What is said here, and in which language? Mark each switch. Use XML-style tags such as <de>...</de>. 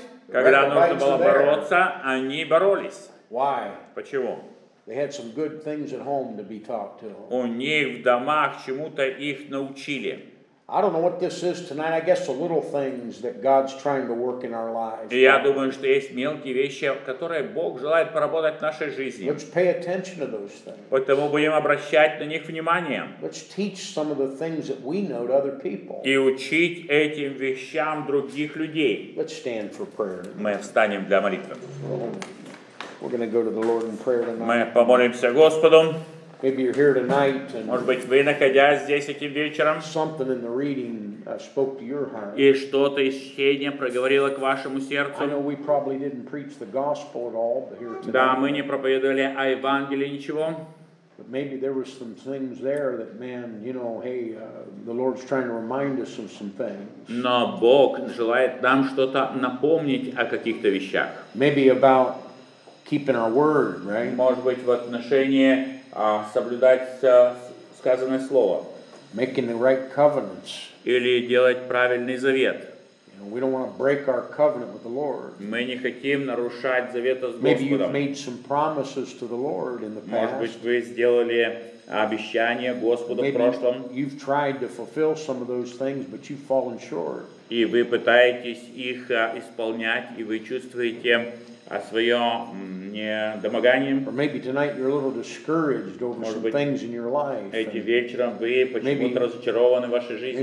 <ru>Когда нужно было бороться, они боролись.</ru> <en>Why?</en> <ru>Почему?</ru> <en>They had some good things at home to be taught to.</en> <ru>У них в домах чему-то их научили.</ru> <en>I don't know what this is tonight. I guess the little things that God's trying to work in our lives.</en> <ru>Я думаю, что есть мелкие вещи, которые Бог желает поработать в нашей жизни.</ru> <en>Let's pay attention to those things.</en> <ru>Поэтому будем обращать на них внимание.</ru> <en>Let's teach some of the things that we know to other people.</en> <ru>И учить этим вещам других людей.</ru> <en>Let's stand for prayer.</en> <ru>Мы встанем для молитвы.</ru> <en>We're going to go to the Lord in prayer tonight.</en> <ru>Мы помолимся Господу.</ru> <en>Maybe you're here tonight, and</en> <ru>может быть, вы, находясь здесь этим вечером,</ru> <en>something in the reading spoke to your heart.</en> <ru>И что-то из чтения проговорило к вашему сердцу.</ru> <en>I know we probably didn't preach the gospel at all, but here tonight.</en> <ru>Да, мы не проповедовали о Евангелии ничего.</ru> <en>But maybe there were some things there that, man, you know, hey, the Lord's trying to remind us of some things.</en> <ru>Но Бог желает нам что-то напомнить о каких-то вещах.</ru> <en>Maybe about keeping our word, right?</en> <ru>Может быть, в отношении соблюдать сказанное слово.</ru> <en>Making the right covenants.</en> <ru>Или делать правильный завет.</ru> <en>You know, we don't want to break our covenant with the Lord.</en> <ru>Мы не хотим нарушать завета с Господом.</ru> <en>Maybe you've made some promises to the Lord in the past.</en> <ru>Может быть, вы сделали обещание Господу</ru> <en>Maybe</en> <ru>в прошлом.</ru> <en>You've tried to fulfill some of those things, but you've fallen short.</en> <ru>И вы пытаетесь их исполнять, и вы чувствуете о своем недомогании.</ru> <en>Or maybe tonight you're a little discouraged over</en> <ru>Может</ru> <en>some</en> <ru>быть,</ru> <en>things in your life.</en> <ru>Этим вечером вы почему-то разочарованы в вашей жизни.</ru>